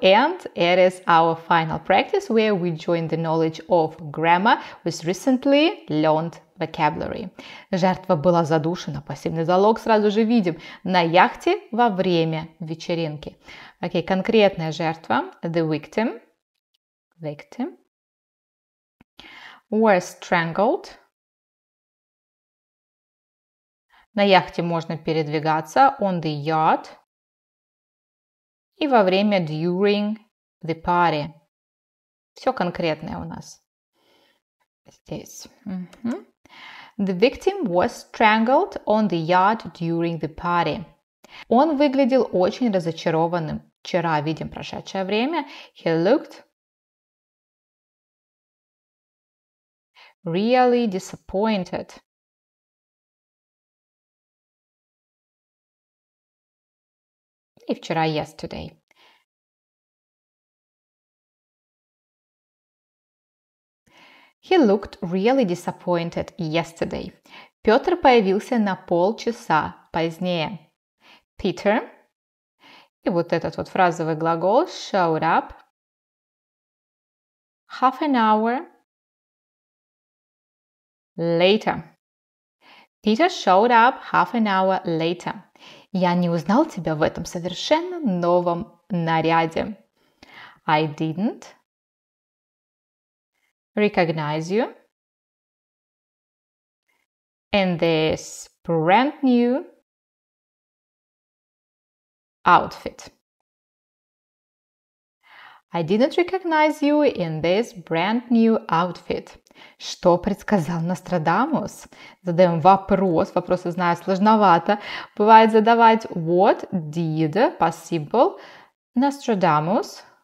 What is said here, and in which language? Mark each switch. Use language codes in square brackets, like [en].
[en] And it is our final practice where we join the knowledge of grammar with recently learned vocabulary. [ru] Жертва была задушена. Пассивный залог сразу же видим. На яхте во время вечеринки. Окей, конкретная жертва. [en] The victim. Victim. Was strangled. [ru] На яхте можно передвигаться. [en] On the yacht. [ru] И во время [en] during the party. [ru] Все конкретное у нас. Здесь. Mm-hmm. [en] The victim was strangled on the yacht during the party. [ru] Он выглядел очень разочарованным. Вчера видим прошедшее время. [en] He looked really disappointed. [ru] И вчера yesterday. [en] He looked really disappointed yesterday. [ru] Пётр появился на полчаса позднее. [en] Peter. [ru] И вот этот вот фразовый глагол showed up. [en] Half an hour later. Peter showed up half an hour later. [ru] Я не узнал тебя в этом совершенно новом наряде. [en] I didn't recognize you in this brand new outfit. I didn't recognize you in this brand new outfit. [ru] Что предсказал Нострадамус? Задаем вопрос. Вопросы, знаю, сложновато. Бывает задавать [en] what did possible Nostradamus.